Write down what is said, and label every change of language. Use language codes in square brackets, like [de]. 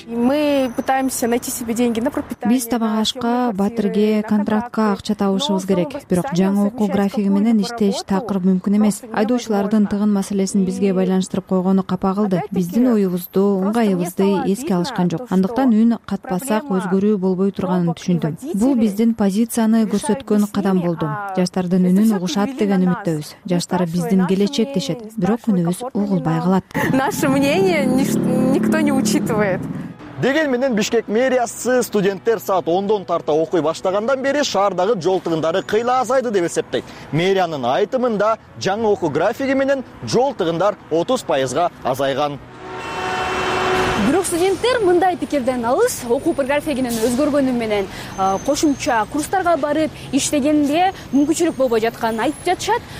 [ru] Мы пытаемся найти себе деньги на пропитание. [ky] Биз тамагашка, батирге, контрактка акча табышыбыз керек. Бирок жаңы окуу графиги менен иштеш такыр мүмкүн эмес. Айдоочулардын тыгын маселесин бизге байланыштырып койгону капа кылды. Биздин оюбузду ыңгайыбызды эске алышкан жок. Андыктан үн катпасак өзгөрүү болбой турганын түшүндүм. Бул биздин позицияны көрсөткөн кадам болду. Жаштардын үнүн угушат деген үмүттөбүз. Жаштар биздин келечек дешет, бирок үнүбүз угулбай калат. [ru] Наше мнение никто не учитывает. [ky] Деген менен Бишкек мэриясы студенттер саат 10:00 тарта окуй баштагандан бери шаардагы жол тыгындары кыйла азайды деп эсептейт. Мэриянын айтымында жаңы окуу графиги менен жол тыгындар 30% азайган. Бирок студенттер мындай пикирден алыс, окуу графигинин өзгөргөнү менен кошумча курстарга барып иштегенде мүмкүнчүлүк болбой жатканын айтып жатышат.